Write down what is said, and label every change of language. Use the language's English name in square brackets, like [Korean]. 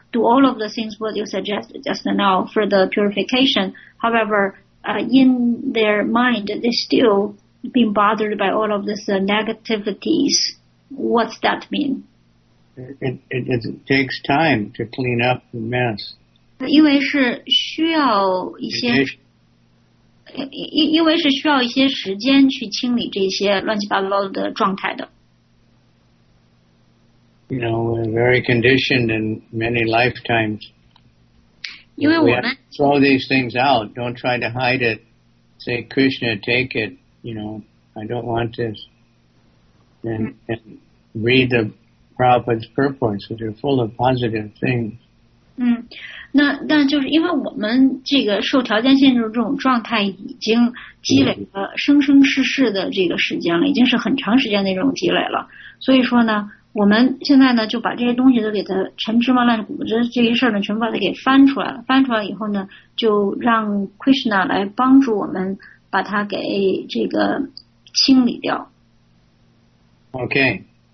[English] Do all of the things what you suggested just now for the purification. However, in their mind, they're still being bothered by all of these negativities. What's that mean? It takes time to clean up the mess. [Chinese] 因为是需要一些时间去清理这些乱七八糟的状态的。 [English] You know, we're very conditioned in many lifetimes. We have to throw these things out. Don't try to hide it. Say, Krishna, take it. You know, I don't want this. And read the Prabhupada's purports, which are full of positive things. [Chinese] 那就是因为我们这个受条件限制这种状态已经积累了生生世世的这个时间了，已经是很长时间的这种积累了。所以说呢，我们现在呢就把这些东西都给它陈芝麻烂谷子这一事呢全部把它给翻出来了。翻出来以后呢，就让 Krishna 来帮助我们把它给这个清理掉。Okay,